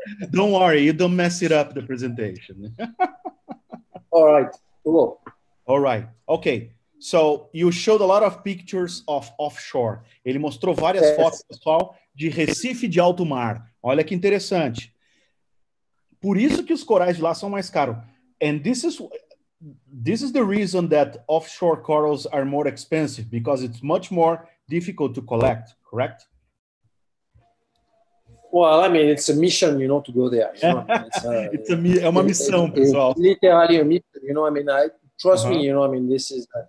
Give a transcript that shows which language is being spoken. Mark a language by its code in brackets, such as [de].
[en] Don't worry, you don't mess it up the presentation. All right. Cool. All right. Okay. So you showed a lot of pictures of offshore. [pt] Ele mostrou várias fotos, pessoal, de Recife de alto mar. Olha que interessante. Por isso que os corais de lá são mais caros. [en] And this is the reason that offshore corals are more expensive, because it's much more difficult to collect, correct? Well, I mean, it's a mission, you know, to go there. It's a mission, [pt] pessoal. [en] Literally a mission, you know, I mean, trust me, you know, I mean, this is...